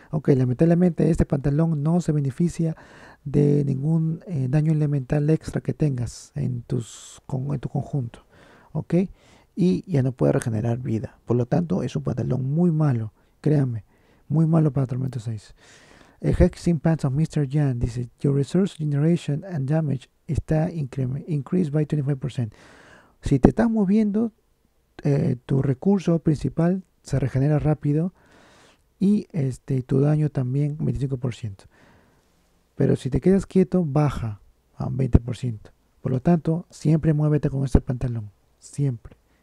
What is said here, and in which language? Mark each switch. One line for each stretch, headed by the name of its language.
Spanish: Ok, lamentablemente este pantalón no se beneficia de ningún daño elemental extra que tengas en en tu conjunto. Ok, y ya no puede regenerar vida. Por lo tanto, es un pantalón muy malo, créanme. Muy malo para Tormento 6. Hexing Pants of Mr.
English: Jan dice: Your resource generation and damage está increased by 25%.
Spanish: Si te estás moviendo, tu recurso principal se regenera rápido y tu daño también 25%. Pero si te quedas quieto, baja a un 20%. Por lo tanto, siempre muévete con este pantalón. Siempre.